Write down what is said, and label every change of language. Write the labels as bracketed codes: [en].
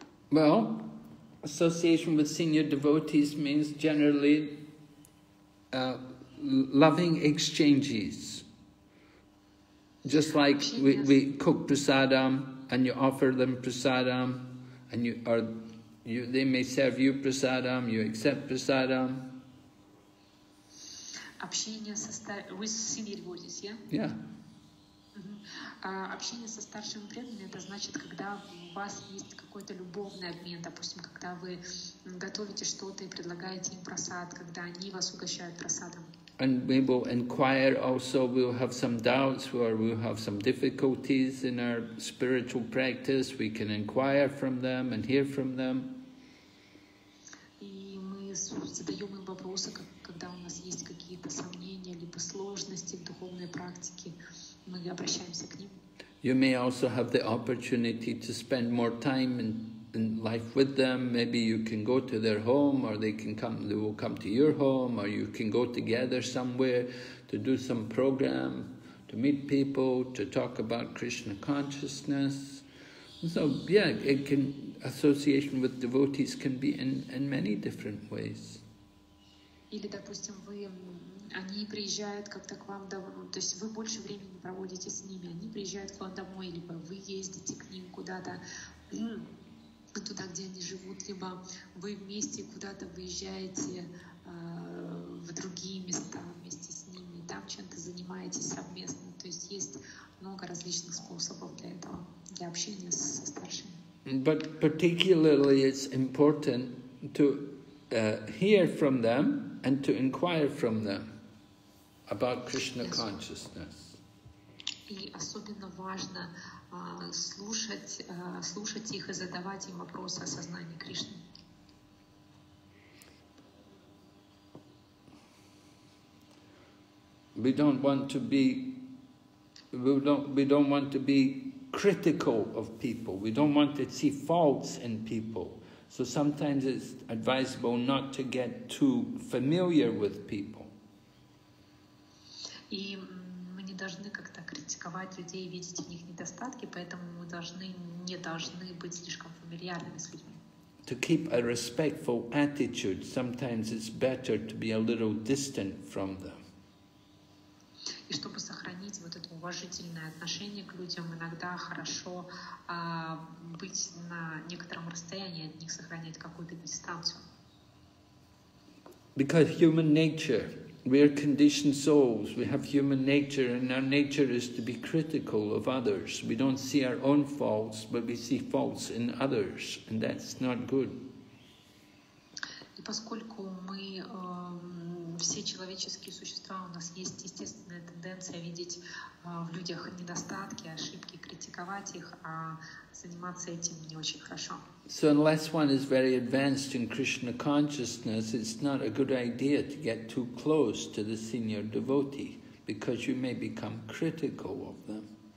[en] Well, association with senior devotees means generally loving exchanges, just like we cook prasadam and you offer them prasadam, and you are, you, they may serve you prasadam, you accept prasadam. [ru] Общение со старшим, вы с семьей водитесь, я? Да. Общение со старшим преданным, это значит, когда у вас есть какой-то любовный обмен, допустим, когда вы готовите что-то и предлагаете им просад, когда они вас угощают просадом. [en] And we will inquire also, we'll have some doubts, or we'll have some difficulties in our spiritual practice, we can inquire from them and hear from them. [ru] И мы задаем им вопросы, когда у нас есть какие-то сомнения либо сложности в духовной практике, мы обращаемся к ним. [en] You may also have the opportunity to spend more time in life with them. Maybe you can go to their home, or they can come. They will come to your home, or you can go together somewhere to do some program, to meet people, to talk about Krishna consciousness. So yeah, it can, association with devotees can be in many different ways. [ru] Или, допустим, вы, они приезжают как-то к вам домой, то есть вы больше времени проводите с ними, они приезжают к вам домой, либо вы ездите к ним куда-то, туда, где они живут, либо вы вместе куда-то выезжаете в другие места вместе с ними, там чем-то занимаетесь совместно, то есть есть много различных способов для этого, для общения со старшими. [en] But particularly it's important to hear from them and to inquire from them about Krishna consciousness. [ru] И особенно важно слушать их и задавать им вопросы о сознании Кришны. [en] We don't want to be critical of people. We don't want to see faults in people. So sometimes it's advisable not to get too familiar with people. [ru] И мы не должны как-то критиковать людей, видеть в них недостатки, поэтому мы должны, не должны быть слишком фамильярными с людьми. [en] To keep a respectful attitude, sometimes it's better to be a little distant from them. [ru] И чтобы сохранить вот это уважительное отношение к людям, иногда хорошо быть на некотором расстоянии от них, сохранять какую-то дистанцию. [en] Because human nature, we are conditioned souls, we have human nature, and our nature is to be critical of others. We don't see our own faults, but we see faults in others, and that's not good. [ru] И поскольку мы все человеческие существа, у нас есть естественная тенденция видеть в людях недостатки, ошибки, критиковать их, а заниматься этим не очень хорошо. [en] So unless one is very advanced in Krishna consciousness, it's not a good idea to get too close to the senior devotee, because you may become critical of them.